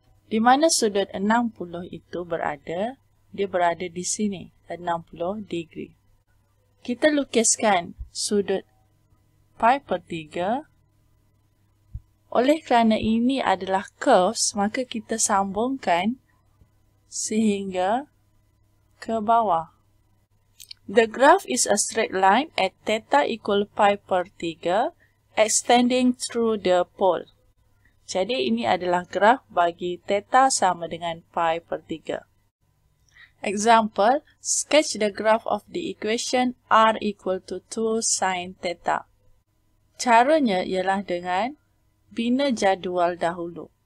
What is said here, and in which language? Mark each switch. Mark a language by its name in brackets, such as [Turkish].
[Malay] Di mana sudut 60 itu berada? Dia berada di sini, 60 degree. Kita lukiskan sudut pi per 3. Oleh kerana ini adalah curves, maka kita sambungkan sehingga ke bawah. [English] The graph is a straight line at theta equal pi per 3 extending through the pole. [Malay] Jadi ini adalah graf bagi theta sama dengan pi per 3. [English] Example, sketch the graph of the equation R equal to 2 sin theta. [Malay] Caranya ialah dengan bina jadual dahulu.